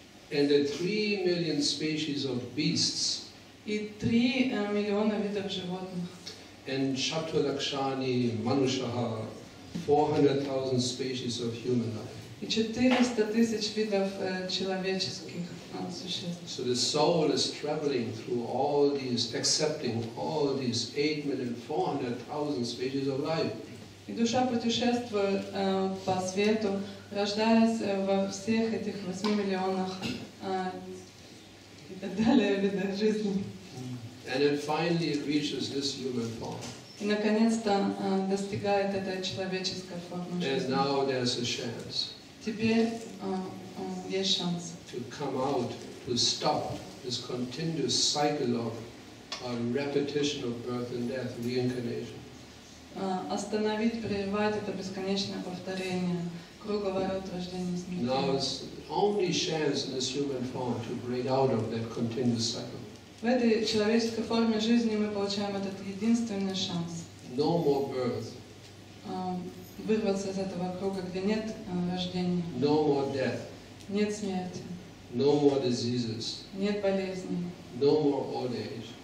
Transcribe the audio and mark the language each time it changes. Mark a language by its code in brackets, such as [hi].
[en] And 3,000,000 species of beasts. [ru] И 3,000,000 видов животных. [en] And Chaturlakshani Manushaha, 400,000 species of human life. [ru] И 400,000 видов человеческих существ. [en] So the soul is traveling through all these, accepting all these 8,400,000 species of life. [ru] И душа путешествует по свету, рождаясь во всех этих 8,000,000 и так далее видов жизни. [en] And then finally it reaches this human form. [ru] И наконец-то достигает этой человеческой формы жизни. [en] And now there's a chance. [ru] Теперь есть шанс. [en] To come out, to stop this continuous cycle of repetition of birth and death, reincarnation. [ru] Остановить, прерывать это бесконечное повторение, круговорот рождения и смерти. [en] Now it's only chance in this human form to break out of that continuous cycle. [ru] В этой человеческой форме жизни мы получаем этот единственный шанс. [en] No more birth. [ru] вырваться из этого круга, где нет рождения. [en] No more death. [ru] Нет смерти. [en] No more diseases. [ru] Нет болезни. [en] No more old age.